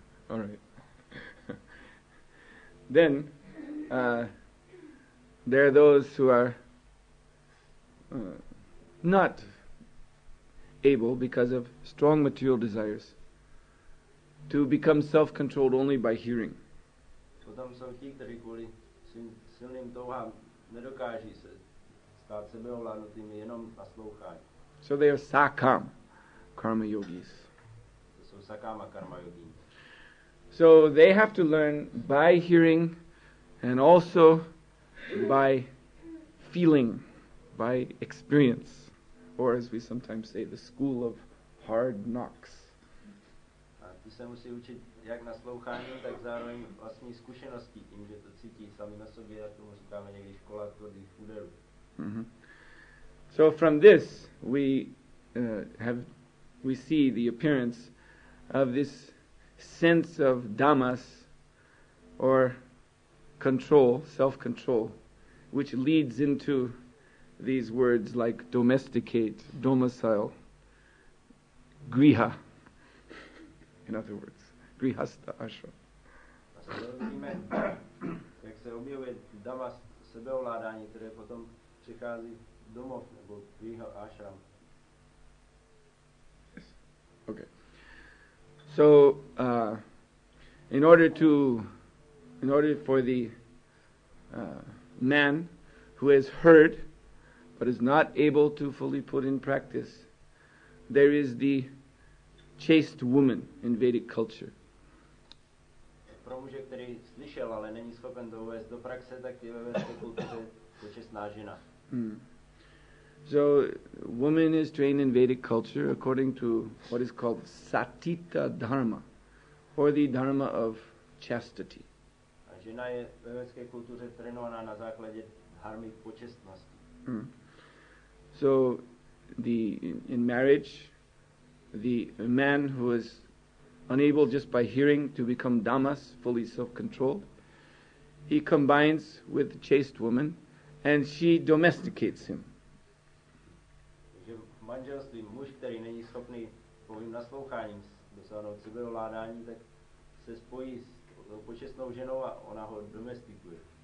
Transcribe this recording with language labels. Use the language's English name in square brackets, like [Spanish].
[English] All right. Then, there are those who are not able, because of strong material desires, to become self-controlled only by hearing. [Czech] Potom jsou ti, kteří kvůli silným touhám nedokáží se stát sebeovládnutými jenom naslouchání. [English] So they are sakam karma yogis. [Czech] To jsou sakama karma yogini. [English] So they have to learn by hearing and also by feeling, by experience, or as we sometimes say, the school of hard knocks. [Czech] A ty se musí učit jak naslouchání, tak zároveň vlastní zkušenosti tím, že to cítí sami na sobě, a tomu říkáme někdy škola tvrdých úderů. [English] So from this we see the appearance of this sense of dhammas or control, self-control, which leads into these words like domesticate, domicile, griha, in other words, grihastha ashram. [Czech] A se dozvíme, jak se objevuje dhamma sebeovládání, které potom přichází domov, nebo griha ashram. [English] Yes, okay. So, in order for the man who has heard but is not able to fully put in practice, there is the chaste woman in Vedic culture. [Czech] Pro muže, který slyšel, ale není schopen to uvést do praxe, tak je ve vedické kultuře počestná žena. [English] So, woman is trained in Vedic culture according to what is called Satita Dharma, or the Dharma of chastity. [Czech] A žena je ve vedské kultuře trénovaná na základě dharmy počestnosti. [English] So, in marriage, the man who is unable just by hearing to become dhammas, fully self-controlled, he combines with the chaste woman, and she domesticates him. [Czech] Takže v manželství muž, který není schopný povým nasloucháním dosáhnout sebeovládání, tak se spojí s počestnou ženou a ona ho domestikuje.